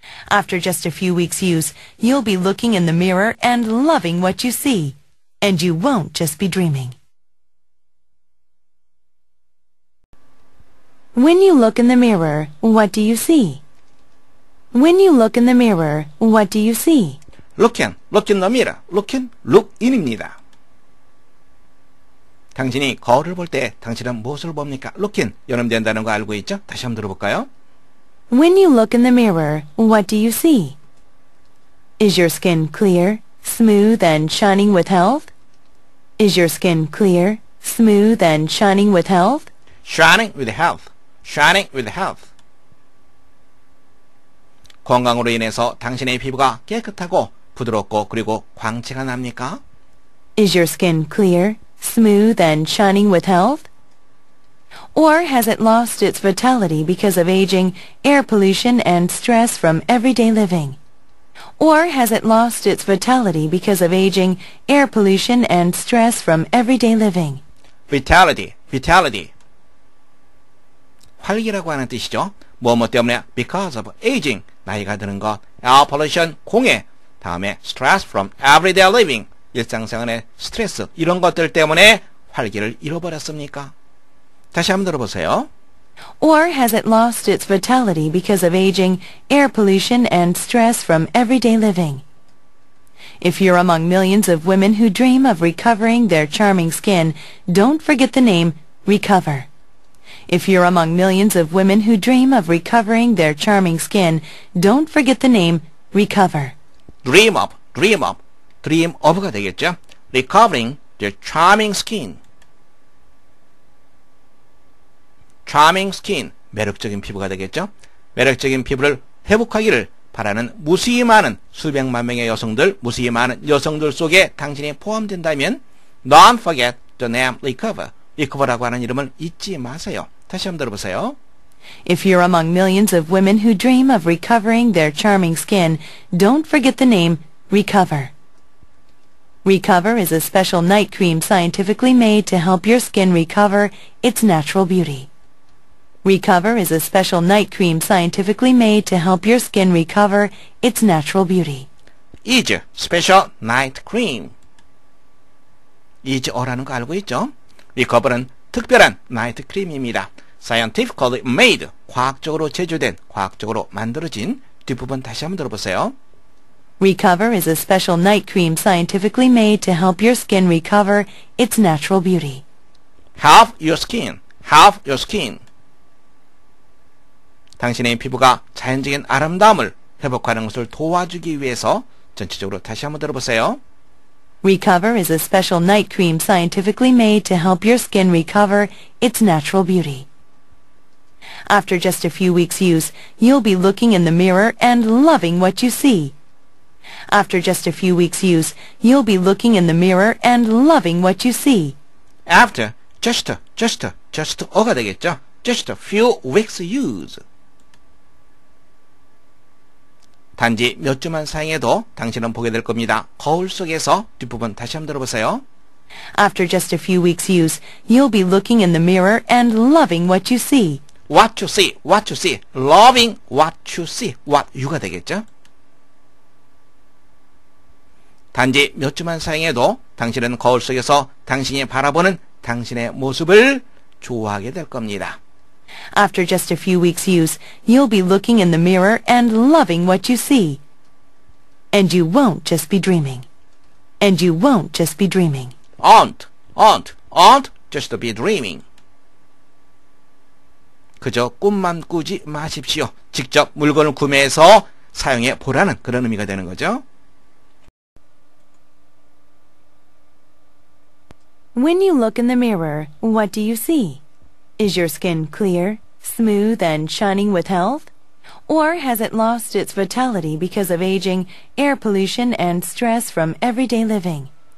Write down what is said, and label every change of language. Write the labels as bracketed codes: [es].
[en] After just a few weeks' use, you'll be looking in the mirror and loving what you see. And you won't just be dreaming. When you look in the mirror, what do you see? When you look in the mirror, what do you see? Looking, look in the mirror, looking, look in입니다. [ko] 당신이 거울을 볼 때 당신은 무엇을 봅니까? Looking, 연음된다는 거 알고 있죠? 다시 한번 들어볼까요? [en] When you look in the mirror, what do you see? Is your skin clear, smooth, and shining with health? Is your skin clear, smooth, and shining with health? Shining with health. Shining with health. 건강으로 인해서 당신의 피부가 깨끗하고 부드럽고 그리고 광채가 납니까? Is your skin clear, smooth, and shining with health? Or has it lost its vitality because of aging, air pollution, and stress from everyday living? Or has it lost its vitality because of aging, air pollution, and stress from everyday living? Vitality, vitality. [ko] 활기라고 하는 뜻이죠. 뭐뭐 때문에 [en] because of aging, [ko] 나이가 드는 것, [en] air pollution, [ko] 공해, 다음에 [en] stress from everyday living, [ko] 일상생활의 스트레스, 이런 것들 때문에 활기를 잃어버렸습니까? 다시 한번 들어보세요. [en] Or has it lost its vitality because of aging, air pollution, and stress from everyday living? If you're among millions of women who dream of recovering their charming skin, don't forget the name Recover. If you're among millions of women who dream of recovering their charming skin, don't forget the name Recover. Dream of, dream of, dream of [ko] 가 되겠죠? [en] Recovering their charming skin. Charming skin, [ko] 매력적인 피부가 되겠죠? 매력적인 피부를 회복하기를 바라는 무수히 많은 수백만 명의 여성들, 무수히 많은 여성들 속에 당신이 포함된다면 [en] Don't forget the name Recover. [ko] Recover라고 하는 이름을 잊지 마세요. 다시 한번 들어보세요. [en] If you're among millions of women who dream of recovering their charming skin, don't forget the name Recover. Recover is a special night cream scientifically made to help your skin recover its natural beauty. Recover is a special night cream scientifically made to help your skin recover its natural beauty. Is special night cream. [ko] Is 어라는 거 알고 있죠? Recover는 특별한 나이트 크림입니다. [en] Scientifically made, [ko] 과학적으로 제조된, 과학적으로 만들어진 뒷부분 다시 한번 들어보세요. [en] Recover is a special night cream scientifically made to help your skin recover its natural beauty. Help your skin. Help your skin. [ko] 당신의 피부가 자연적인 아름다움을 회복하는 것을 도와주기 위해서 전체적으로 다시 한번 들어보세요. [en] Recover is a special night cream scientifically made to help your skin recover its natural beauty. After just a few weeks' use, you'll be looking in the mirror and loving what you see. After just a few weeks' use, you'll be looking in the mirror and loving what you see. After just [ko] 어가 되겠죠? [en] Just a few weeks' use. [ko] 단지 몇 주만 사용해도 당신은 보게 될 겁니다. 거울 속에서 뒷부분 다시 한번 들어보세요. [en] After just a few weeks use, you'll be looking in the mirror and loving what you see. What you see, what you see, loving what you see, what you [ko] 가 되겠죠? 단지 몇 주만 사용해도 당신은 거울 속에서 당신이 바라보는 당신의 모습을 좋아하게 될 겁니다. [en] After just a few weeks' use, you'll be looking in the mirror and loving what you see. And you won't just be dreaming. And you won't just be dreaming. Aren't just be dreaming. [ko] 그저 꿈만 꾸지 마십시오. 직접 물건을 구매해서 사용해 보라는 그런 의미가 되는 거죠. [en] When you look in the mirror, what do you see? Is your skin clear, smooth, and shining with health? Or has it lost its vitality because of aging, air pollution, and stress from everyday living?